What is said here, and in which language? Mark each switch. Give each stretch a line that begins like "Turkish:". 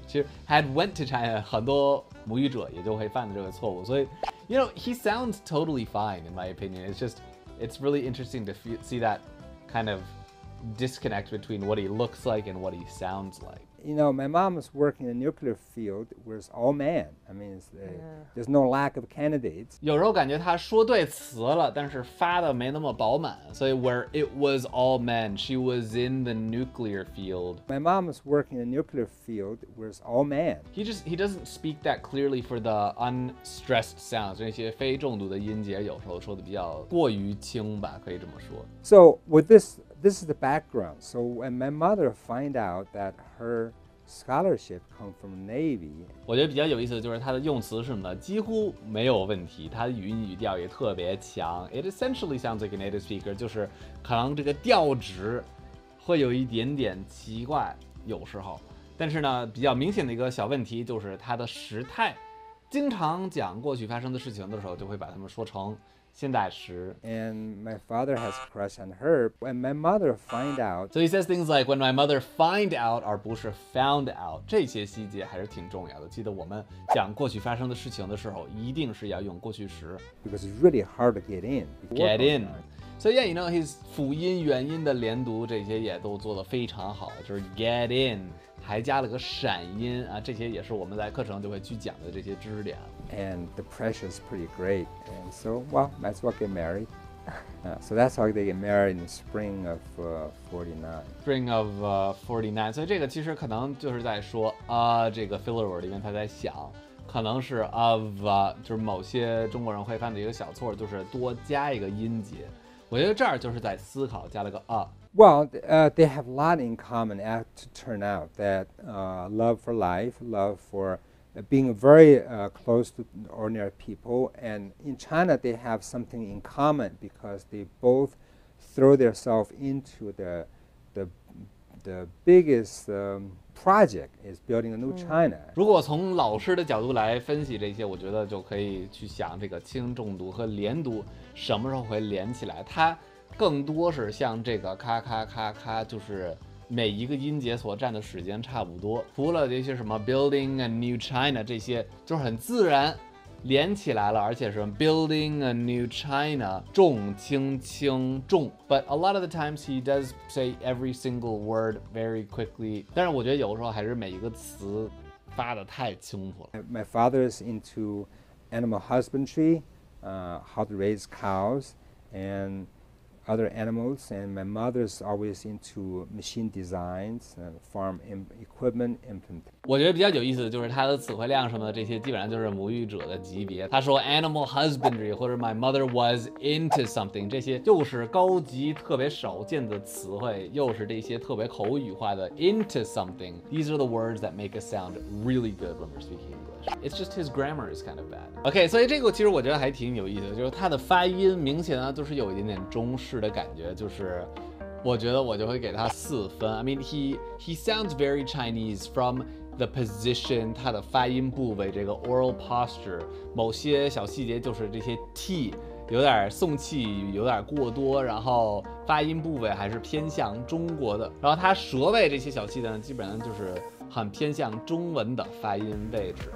Chinese: 其实
English: had went to China
Chinese: 很多母语者也就会犯的这个错误，所以
English: you know he sounds totally fine in my opinion. It's just it's really interesting to see that kind of disconnect between what he looks like and what he sounds like. You know, my mom is working in the nuclear field where it's all men. I mean, there's no lack of candidates.
Chinese: 有时候感觉她说对词了，但是发的没那么饱满。
English: 所以 where it was all men, she was in the nuclear field. My mom is working in the nuclear field where it's all men. He doesn't speak that clearly for the unstressed sounds.
Chinese: 那些非重读的音节有时候说的比较过于轻吧，可以这么说。
English: So with this... This is the background. So when my mother find out that her scholarship come from Navy,
Chinese: 我觉得比较有意思的就是她的用词是什么的，几乎没有问题，她的语音语调也特别强。
English: It essentially sounds like a native speaker,
Chinese: 就是可能这个调值会有一点点奇怪，有时候。但是呢，比较明显的一个小问题就是她的时态，经常讲过去发生的事情的时候，就会把它们说成。现在时
English: and my father has a crush on her when my mother find out so he says things like when my mother find out
Chinese: 而不是 found out 这些细节还是挺重要的记得我们讲过去发生的事情的时候一定是要用过去时
English: because it's really hard to get in so yeah you know his
Chinese: 辅音元音的连读这些也都做得非常好就是 get in 还加了个闪音啊，这些也是我们在课程就会去讲的这些知识点
English: And the pressure is pretty great. And so, well, might as well get married. So that's how they get married in the spring of 49. Spring of 49.
Chinese: 所以这个其实可能就是在说这个 filler word 里面他在想可能是 of 就是某些中国人会犯的一个小错就是多加一个音节。我觉得这儿就是在思考加了个
English: Well, they have a lot in common to turn out that love for life, love forbeing very close to ordinary people and in China they have something in common because they both throw themselves into the the biggest project is building a new China.
Chinese: 如果从老师的角度来分析这些，我觉得就可以去想这个轻重读和连读什么时候会连起来。它更多是像这个咔咔咔咔，就是每一个音节所占的时间差不多。除了这些什么 building a new China 这些，就是很自然连起来了，而且是 building a new China 重轻轻重。
English: But a lot of the times he does say every single word very quickly.
Chinese: 但是我觉得有时候还是每一个词发得太清楚了。
English: My father is into animal husbandry, how to raise cows and other animals, and my mother is always into machine designs and farm equipment implement.
Chinese: 我觉得比较有意思的就是他的词汇量什么的，这些基本上就是母语者的级别。他说 animal husbandry 或者
English: my mother was into something，
Chinese: 这些就是高级特别少见的词汇，又是这些特别口语化的 into something。
English: These are the words that make us sound really good when we're speaking English. It's just his grammar is kind of bad.
Chinese: OK， 所以这个其实我觉得还挺有意思的，就是他的发音明显呢就是有一点点中式的感觉，就是我觉得我就会给他四分。
English: I mean he sounds very Chinese from the position，
Chinese: 他的发音部位，这个 oral posture， 某些小细节就是这些 T 有点送气有点过多，然后发音部位还是偏向中国的，然后他舌位这些小细节呢基本上就是很偏向中文的发音位置。